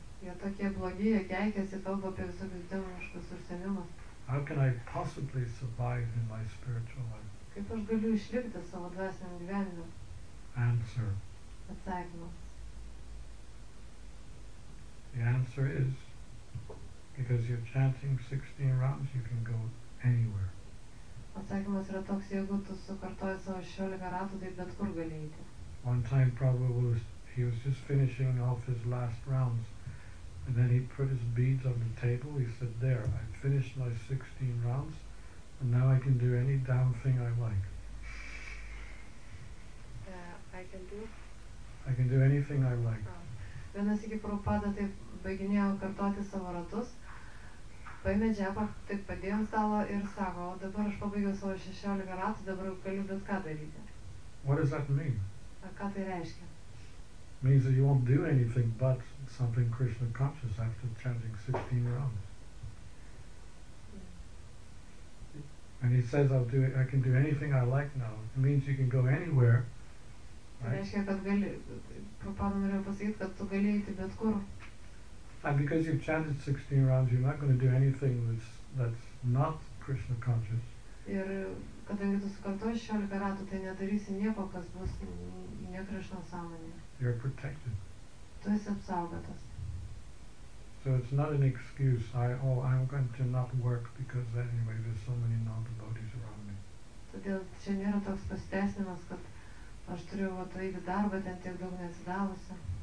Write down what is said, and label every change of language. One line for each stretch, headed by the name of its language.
English: How can I possibly survive in my spiritual life? Answer. The answer is, because you're chanting 16 rounds, you can go anywhere.
Lithuanian: Atsakymas yra toks, jeigu tu sukartoji savo 16 ratų, tai bet kur gali eiti.
English: One time Prabhu was, he was just finishing off his last rounds, and then he put his beads on the table, he said, there, I finished my 16 rounds, and now I can do any damn thing I like. I can do anything I like.
Lithuanian: Vienas iki Prabhupada taip baiginėjo kartoti savo ratus, paėmė džepą, tik padėjo ant stalo ir sako, o dabar aš pabaigiau savo 16 ratų, dabar galiu bet ką daryti.
English: What does that mean?
Lithuanian: Ką tai reiškia?
English: Means that you won't do anything but something Krishna conscious after chanting 16 rounds. And he says, I can do anything I like now. It means you can go anywhere.
Lithuanian: Tai reiškia, kad gali, Prabhupada norėjo pasakyti, kad tu gali eiti bet kur.
English: And because you've chanted 16 rounds, you're not going to do anything that's not Krishna conscious.
Lithuanian: Ir kadangi tu sukartoji 16 ratų, tai nedarysi nieko, kas bus ne Krishna sąmonė.
English: You're protected.
Lithuanian: Tu esi apsaugotas.
English: So it's not an excuse, I'm going to not work because anyway there's so many non-devotees around me.
Lithuanian: Todėl čia nėra toks pasiteisinimas, kad aš turiu vat eiti darbą, ten tiek daug neatsidavusi.